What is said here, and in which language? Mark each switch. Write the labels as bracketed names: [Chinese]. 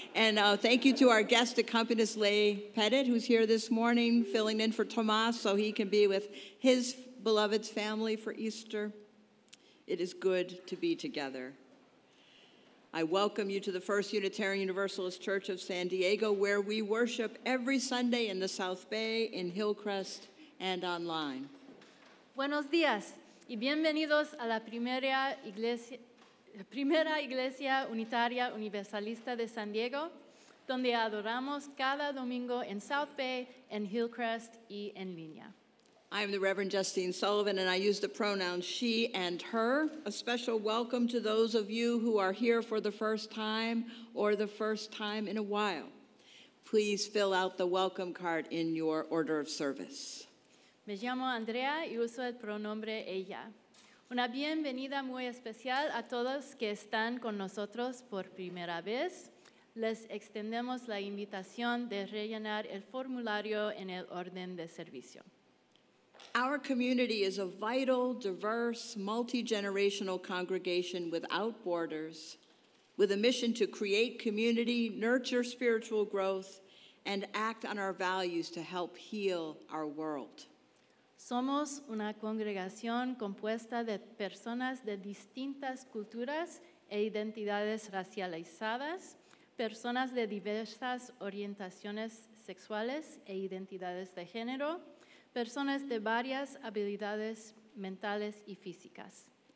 [English] And thank you to our guest accompanist, Leigh Pettit, who's here this morning filling in for Tomas so he can be with his beloved's family for Easter. It is good to be together. I welcome you to the First Unitarian Universalist Church of San Diego, where we worship every Sunday in the South Bay, in Hillcrest, and online. [Spanish] Buenos días y bienvenidos a la primera iglesia unitaria universalista de San Diego, donde adoramos cada domingo en South Bay, en Hillcrest, y en línea. [English] I am the Reverend Justine Sullivan, and I use the pronouns she and her. A special welcome to those of you who are here for the first time or the first time in a while. Please fill out the welcome card in your order of service. [Spanish] Me llamo Andrea y uso el pronombre ella. Una bienvenida muy especial a todos que están con nosotros por primera vez. Les extendemos la invitación de rellenar el formulario en el orden de servicio. [English] Our community is a vital, diverse, multi-generational congregation without borders, with a mission to create community, nurture spiritual growth, and act on our values to help heal our world. [Spanish] Somos una congregación compuesta de personas de distintas culturas e identidades racializadas, personas de diversas orientaciones sexuales e identidades de género, personas de varias habilidades mentales y físicas.